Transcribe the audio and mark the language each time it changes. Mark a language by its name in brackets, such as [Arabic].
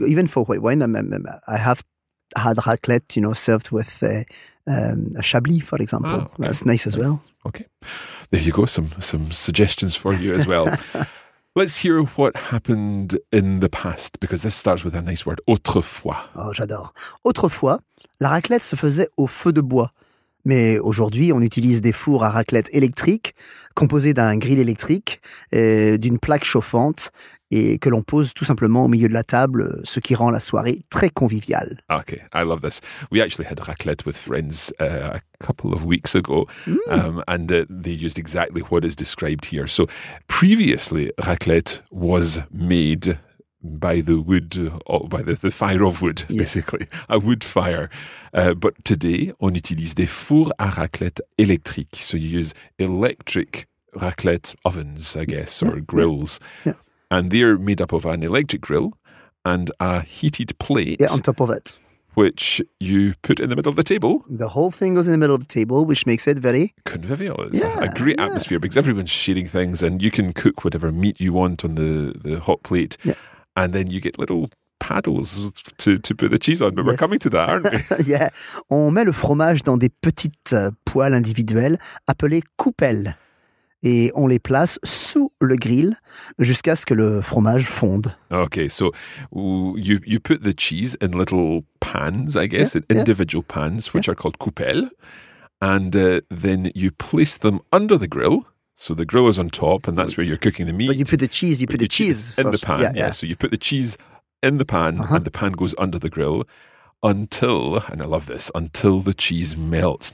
[English] even for white wine, I have had raclette, served with a Chablis, for example. Ah, okay. That's nice as well. Okay. There you go. Some suggestions for you as well. Let's hear what happened in the past, because this starts with a nice word, autrefois. [French] Oh, j'adore. Autrefois, la raclette se faisait au feu de bois. Mais aujourd'hui, on utilise des fours à raclette électrique, composés d'un grill électrique, d'une plaque chauffante, et que l'on pose tout simplement au milieu de la table, ce qui rend la soirée très conviviale. [English] Okay, I love this. We actually had raclette with friends a couple of weeks ago, and they used exactly what is described here. So, previously, raclette was made by the wood, by the fire of wood, basically. A wood fire. But today, [French] on utilise des fours à raclette électriques. [English] So you use electric raclette ovens, I guess, or grills. Yeah. And they're made up of an electric grill and a heated plate. Yeah, on top of it. which you put in the middle of the table. The whole thing goes in the middle of the table, which makes it very convivial. It's a great atmosphere because everyone's sharing things and you can cook whatever meat you want on the hot plate. Yeah. And then you get little paddles to put the cheese on. But we're coming to that, aren't we? Yeah. [French] On met le fromage dans des petites poêles individuelles appelées coupelles. Et on les place sous le grill jusqu'à ce que le fromage fonde. [English] Okay, so you put the cheese in little pans, I guess, individual pans, which are called coupelles. And then you place them under the grill. So the grill is on top and that's where you're cooking the meat. But you put the cheese, you put the cheese first. In the pan, So you put the cheese in the pan and the pan goes under the grill until, and I love this, until the cheese melts.